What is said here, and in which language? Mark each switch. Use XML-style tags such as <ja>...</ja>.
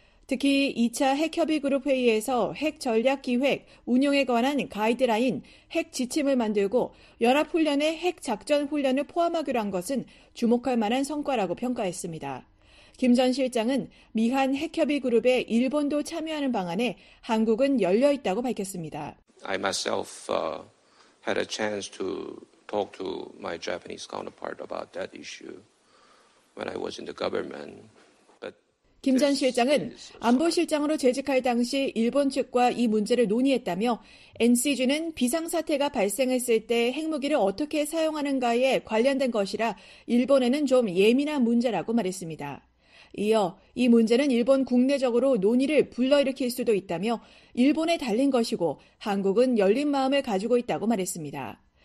<ko>특히 2차 핵협의 그룹 회의에서 핵 전략 기획, 운용에 관한 가이드라인, 핵 지침을 만들고 연합훈련에 핵 작전 훈련을 포함하기로 한 것은 주목할 만한 성과라고 평가했습니다. 김 전 실장은 미한 핵협의 그룹에 일본도 참여하는 방안에 한국은 열려 있다고 밝혔습니다.</ko> <en>I myself had a chance to talk to my Japanese counterpart about that issue when I was in the government.</en> <ko>김 전 실장은 안보실장으로 재직할 당시 일본 측과 이 문제를 논의했다며 NCG는 비상사태가 발생했을 때 핵무기를 어떻게 사용하는가에 관련된 것이라 일본에는 좀 예민한 문제라고 말했습니다. 이어 이 문제는 일본 국내적으로 논의를 불러일으킬 수도 있다며 일본에 달린 것이고 한국은 열린 마음을 가지고 있다고 말했습니다.</ko>